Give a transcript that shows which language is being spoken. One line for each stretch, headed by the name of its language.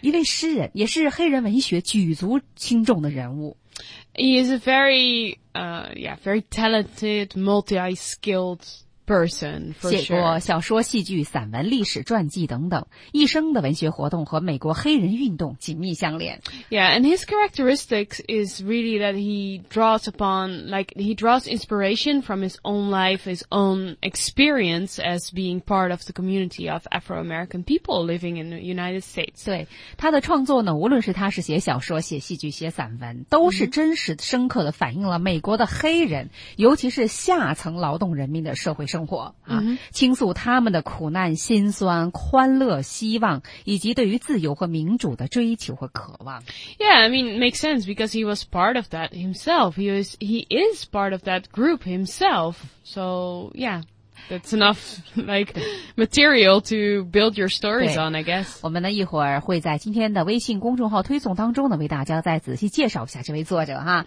Chinese: 一位诗人，也是黑人文学举足轻重的人物。
English: He is a very, yeah, very talented, multi-skilled person, for sure.
Chinese: 写过小说、戏剧、散文、历史、传记等等，一生的文学活动和美国黑人运动紧密相连。
English: Yeah, and his characteristics is really that he draws upon, like, he draws inspiration from his own life, his own experience as being part of the community of Afro-American people living in the United States.
Chinese: 对，他的创作呢，无论是他是写小说、写戏剧、写散文，都是真实深刻的反映了美国的黑人，尤其是下层劳动人民的社会生活、啊 mm-hmm. 倾诉他们的苦难、心酸、欢乐、希望，以及对于自由和民主的追求和渴望。
English: Yeah, I mean, makes sense because he was part of that himself. He is part of that group himself. So, yeah. That's enough, like, material to build your stories on, I guess.
Chinese: 我们呢一会儿会在今天的微信公众号推送当中呢为大家再仔细介绍一下这位作者哈。